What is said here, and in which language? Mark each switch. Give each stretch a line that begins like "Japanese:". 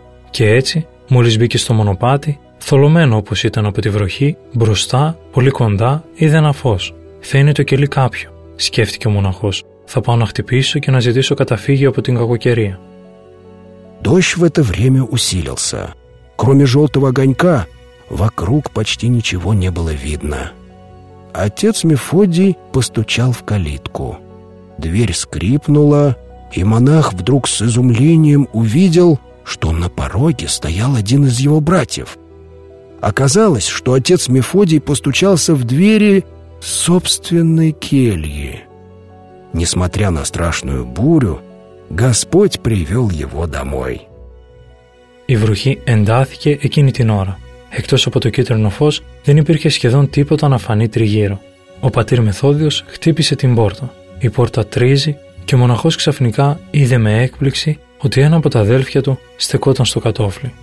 Greek: Και έτσι, μόλις μπήκε στο μονοπάτι, θολωμένο όπως ήταν από τη βροχή, μπροστά, πολύ κοντά, είδε ένα φως. «Θα είναι το κελί κάποιο», σκέφτηκε ο μοναχός. «Θα πάω να χτυπήσω και να ζητήσω καταφύγιο από την κακοκαιρία».
Russian: Дождь в это время усилился. Кроме желтого огонька, вокруг почти ничего не было видно. Отец Мефодий постучал в калитку. Дверь скрипнула, и монах вдруг с изумлением увидел, что на пороге стоял один из его братьев. Оказалось, что отец Мефодий постучался в двери собственной кельи. Несмотря на страшную бурю, Господь привел его домой.
Greek: Η βροχή εντάθηκε εκείνη την ώρα. Εκτός από το κίτρινο φως, δεν υπήρχε σχεδόν τίποτα να φανεί τριγύρω. Ο πατήρ Μεθόδιος χτύπησε την πόρτα. Η πόρτα τρίζει και ο μοναχός ξαφνικά είδε με έκπληξη ότι ένα από τα αδέλφια του στεκόταν στο κατώφλι.